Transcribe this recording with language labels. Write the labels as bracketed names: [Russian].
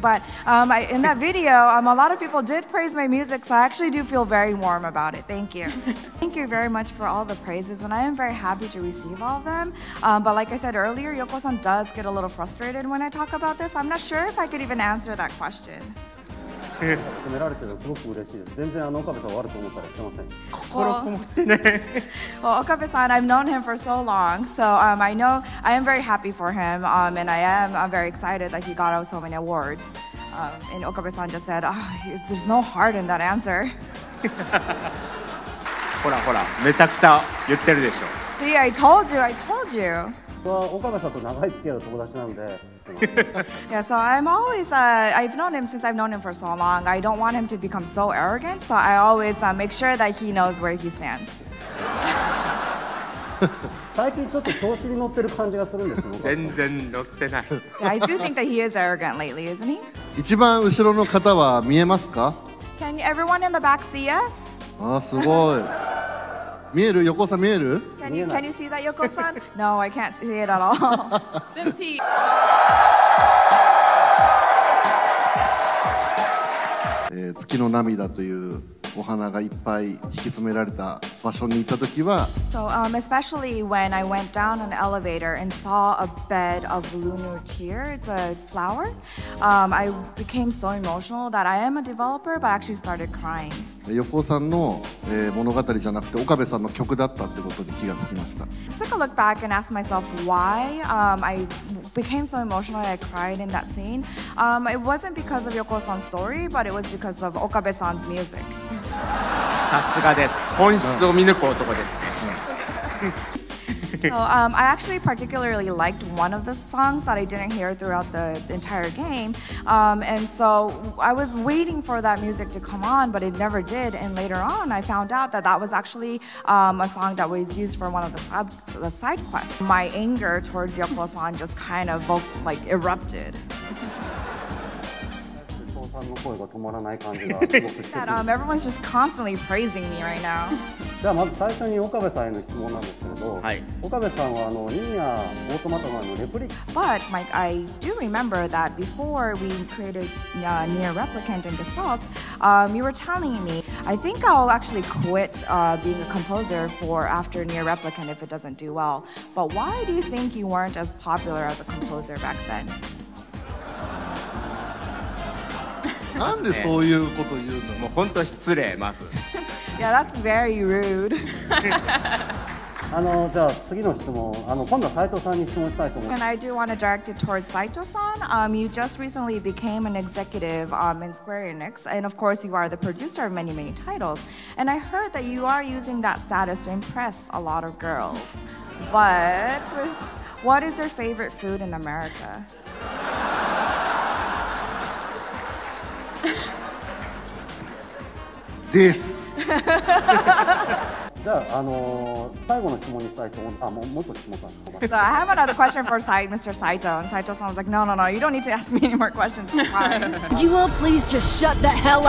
[English] But in that video, a lot of people did praise my music, so I actually do feel very warm about it. Thank you. Thank you very much for all the praises, and I am very happy to receive all of them. But like I said earlier, 横尾さん does get a little frustrated when I talk about this. I'm not sure if I could even answer that question. [Japanese] 褒められてるのすごく嬉しいです。全然岡部さん悪く思ったりしてません。心こもってね。 [English] Well, 岡部さん、I've known him for so long, so I know I am very happy for him, and I am very excited that he got out so many awards. And 岡部さん just said, there's no heart in that answer. [Japanese] ほらほら、めちゃくちゃ言ってるでしょ。 [English] See, I told you, I told you. [Japanese] 岡部さんと長い付き合いの友達なんで、 [English] yeah, so I'm always, I've known him since I've known him for so long. I don't want him to become so arrogant, so I always make sure that he knows where he stands. [Japanese] 最近ちょっと調子に乗ってる感じがするんですけど。全然乗ってない。 [English] Yeah, I do think that he is arrogant lately, isn't he? [Japanese] 一番後ろの方は見えますか? [English] Can everyone in the back see us? [Japanese] ああ、すごい。見える?横尾さん見える? [English] Can you see that, 横尾さん?No, I can't see it at all. Zimti! [Japanese] 月の涙というお花がいっぱい引き詰められた場所に行った時は [English] So, especially when I went down an elevator and saw a bed of lunar tears, a flower, I became so emotional that I am a developer, but actually started crying. [Japanese] 横尾さんの、物語じゃなくて岡部さんの曲だったってことに気がつきました。 [English] I took a look back and asked myself why I became so emotional and I cried in that scene. It wasn't because of 横尾さん's story, but it was because of 岡部さん's music. [Japanese] さすがです。本質を見抜く男ですね。 [English] So, I actually particularly liked one of the songs that I didn't hear throughout the entire game. And so I was waiting for that music to come on, but it never did. And later on, I found out that that was actually a song that was used for one of the side quests. My anger towards Yoko-san just kind of like erupted. That, everyone's just constantly praising me right now. [Japanese] じゃあまず最初に岡部さんへの質問なんですけれど、はい、岡部さんはニーヤオートマタのレプリカ [English] But Mike, I do remember that before we created Nier Replicant in Gestalt, you were telling me, I think I'll actually quit being a composer for after Nier Replicant if it doesn't do well. But why do you think you weren't as popular as a composer back then? [Japanese] なんでそういうこと言うの、もう本当失礼、まず。 [English] Yeah, that's very rude. [Japanese] じゃあ次の質問、今度は斉藤さんに質問したいと思います。 [English] And I do want to direct it towards 斉藤さん。 You just recently became an executive in Square Enix, and of course you are the producer of many, many titles. And I heard that you are using that status to impress a lot of girls. But what is your favorite food in America? [Japanese] です。じゃあ最後の質問にしたいと思う。あ、もうもっと質問さん。 [English] So I have another question for Mr. Saito. And Saito さんは、No, you don't need to ask me any more questions. Do you all please just shut the hell up?